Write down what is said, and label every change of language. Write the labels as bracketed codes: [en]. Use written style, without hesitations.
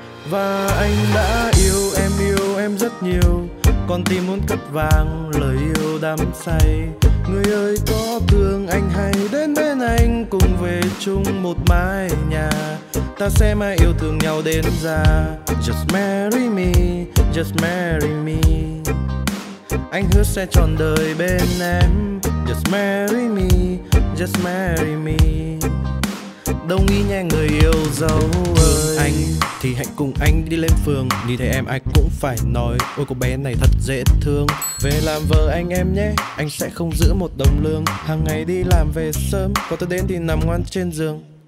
[vi] Và anh đã yêu em rất nhiều. Con tim muốn cất vàng lời yêu đắm say. Người ơi có thương anh hãy đến bên anh, cùng về chung một mái nhà. Ta sẽ mãi yêu thương nhau đến già. [en] Just marry me, just marry me. [vi] Anh hứa sẽ trọn đời bên em. [en] Just marry me, just marry me. [vi] Đồng ý nhé người yêu dấu ơi. Anh thì hãy cùng anh đi lên phường. Nhìn thấy em ai cũng phải nói ôi cô bé này thật dễ thương. Về làm vợ anh em nhé. Anh sẽ không giữ một đồng lương. Hàng ngày đi làm về sớm, có tôi đến thì nằm ngoan trên giường.